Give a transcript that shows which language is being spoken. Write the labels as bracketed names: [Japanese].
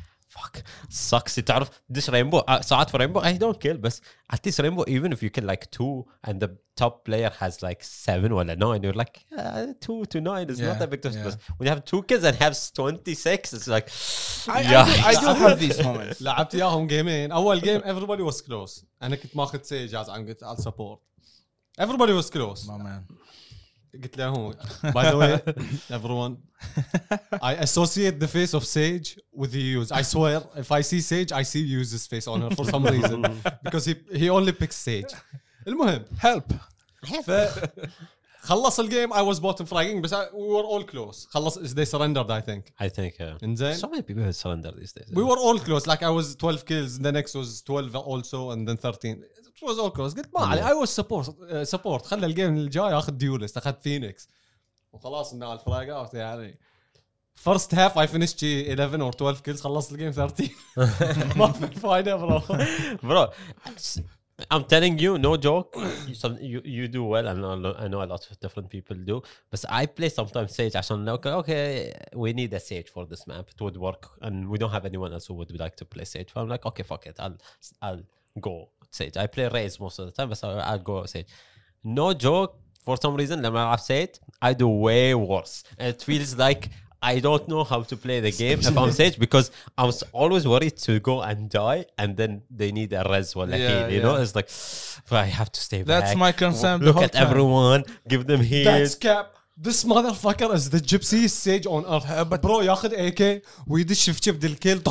[English] fuck, sucks. You know, this rainbow, ساعات في rainbow, I don't kill, but at least rainbow, even if you kill like two and the top player has like seven or nine, you're like, two to nine is not that big difference. Yeah. When you have two kills and have 26, it's like, I do have these moments. [Arabic] لعبت ياهم جيمين. أول game, [English] everybody was close. [Arabic] أنا كنت ماخذ سيج, [English] I'll support. Everybody was close. My man. [Arabic] قلت له هو [English] by the way everyone I associate the face of Sage with the use. I swear if I see Sage I see use's face on her for some reason because he only picks Sage. المهم help [Arabic] خلص الجيم. [English] I was bottom fragging but we were all close. خلص is they surrendered I think انزين so many people had surrendered these days. We were all close, like I was 12 kills and the next was 12 also and then 13. Was all close. [Arabic] قلت ما علي. [English] I was support. خلى الجيم الجاي أخذ ديولست. أخذ فينيكس. وخلاص إنه الفراغ أوت يعني. First half I finished 11 or 12 kills. [Arabic] خلصت الجيم 13. ما في فايدة برو. [English] Bro. I'm telling you, no joke. You do well. I know a lot of different people do. But I play sometimes Sage. عشان okay, we need a Sage for this map. It would work. And we don't have anyone else who would like to play Sage. So I'm like, okay, fuck it. I'll go. Sage. I play raids most of the time, so I'll go Sage. No joke, for some reason, لما I've said, I do way worse. And it feels like I don't know how to play the game if I'm Sage because I was always worried to go and die and then they need a res or a heal. You know, it's like, but I have to stay back. That's my concern. Look at everyone, give them heal. That's cap. This motherfucker is the gypsy Sage on earth. But bro, [Arabic] ياخد AK ويدش في جيب ديل كيل.